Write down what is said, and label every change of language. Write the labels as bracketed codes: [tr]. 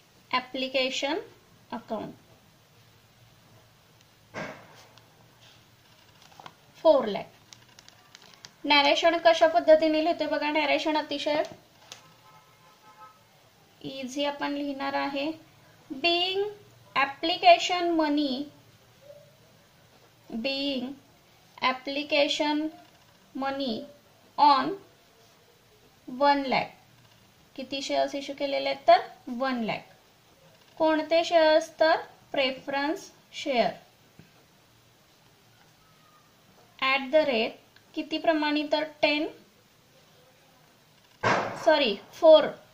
[en] Application account 4 lakh. [mr] Narration कशा पद्धतीने लिहितोय बघा. नॅरेशन अतिशय इझी आपण लिहिणार आहे. [en] Being application money, being application money on 1 lakh. [mr] किती शेअर्स इश्यू केलेले आहेत तर 1 लाख. कोणते शेअर्स तर preference share. At the rate किती प्रमाणे तर 4.